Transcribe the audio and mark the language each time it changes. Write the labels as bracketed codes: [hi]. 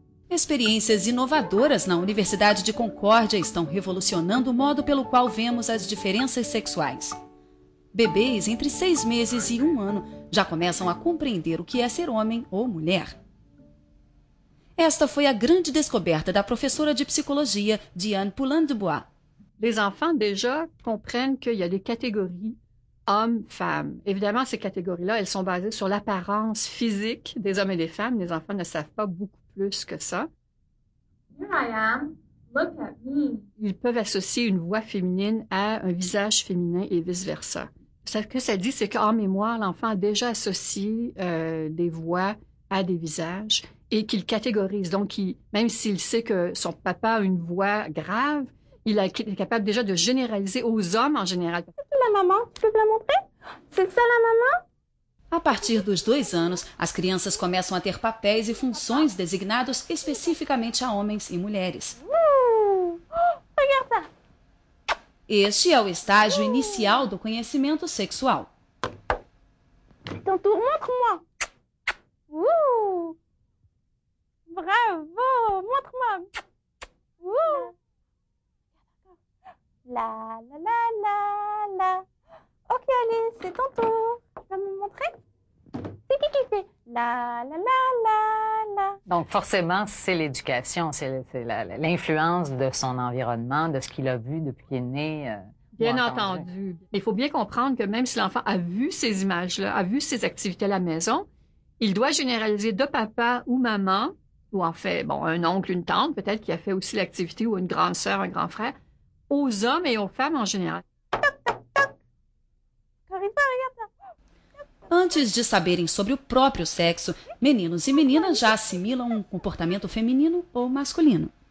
[pt] Experiências inovadoras na Universidade de Concórdia estão revolucionando o modo pelo qual vemos as diferenças sexuais. Bebês entre 6 meses e 1 ano já começam a compreender o que é ser homem ou mulher. Esta foi a grande descoberta da professora de psicologia, Diane Poulain-Dubois. [fr] Les enfants déjà comprennent qu'il y a des catégories hommes-femmes. Évidemment, ces catégories-là, elles sont basées sur l'apparence physique des hommes et des femmes. Les enfants ne savent pas beaucoup plus que ça. [en] Here I am. Look at me. [fr] Ils peuvent associer une voix féminine à un visage féminin et vice-versa. Ce que ça dit, c'est qu'en mémoire, l'enfant a déjà associé des voix à des visages et qu'il catégorise. Donc, même s'il sait que son papa a une voix grave, il est capable déjà de généraliser aux hommes en général. C'est ça la maman? Tu peux te la montrer? C'est ça la maman? [pt] A partir dos 2 anos, as crianças começam a ter papéis e funções designados especificamente a homens e mulheres. Este é o estágio inicial do conhecimento sexual. [fr] Então, tu montre-moi. Bravo! Montre-moi. La, la, la, la, la. Ok, allez, c'est ton tour. Tu vas me montrer? La, la, la, la, la. Donc, forcément, c'est l'éducation, c'est l'influence de son environnement, de ce qu'il a vu depuis qu'il est né. Bien entendu. Il faut bien comprendre que même si l'enfant a vu ces images-là, a vu ces activités à la maison, il doit généraliser de papa ou maman, ou en fait, bon, un oncle, une tante, peut-être, qui a fait aussi l'activité, ou une grande sœur, un grand frère, aux hommes et aux femmes en général. [pt] Antes de saberem sobre o próprio sexo, meninos e meninas já assimilam um comportamento feminino ou masculino.